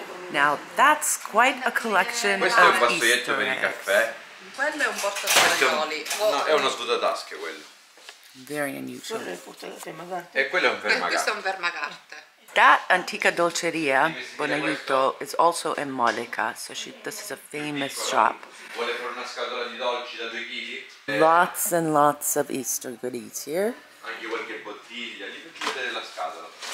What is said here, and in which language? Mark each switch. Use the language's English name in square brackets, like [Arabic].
[English] Now that's quite a collection of Easter eggs. [Italian] Questo è un vassoietto per il caffè. Quello è un botto di fagioli. No, è uno svuotatasche quello. [English] Very unusual. [Italian] E quello è un vermagarte. Questo è un vermagarte. [English] That antica dolceria, Bonaiuto, is also in Modica. So this is a famous shop. [Italian] Vuole fare una scatola di dolci da 2 kg? [English] Lots and lots of Easter goodies here. [Italian] Anche qualche bottiglia. Gli faccio vedere la scatola.